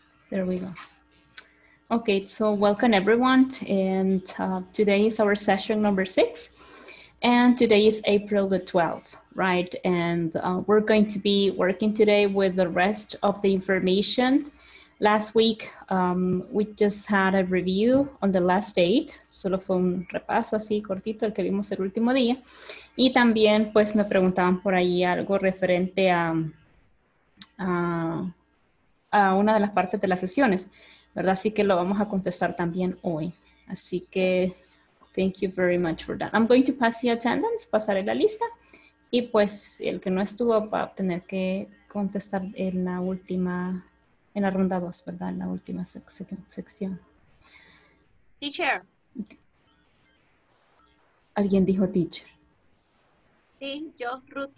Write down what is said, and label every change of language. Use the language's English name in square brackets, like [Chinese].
[English] There we go. Okay, so welcome everyone. And today is our session number 6. And today is April the 12th, right? And we're going to be working today with the rest of the information. Last week, we just had a review on the last date. [Spanish] Solo fue un repaso así cortito el que vimos el último día. Y también, pues, me preguntaban por ahí algo referente a una de las partes de las sesiones, ¿verdad? Así que lo vamos a contestar también hoy. Así que, [English] thank you very much for that. I'm going to pass the attendance, [Spanish] pasaré la lista. Y, pues, el que no estuvo va a tener que contestar en la última, en la ronda 2, ¿verdad? En la última sección. [English] Teacher. [Spanish] Alguien dijo teacher. Sí, yo, Ruth.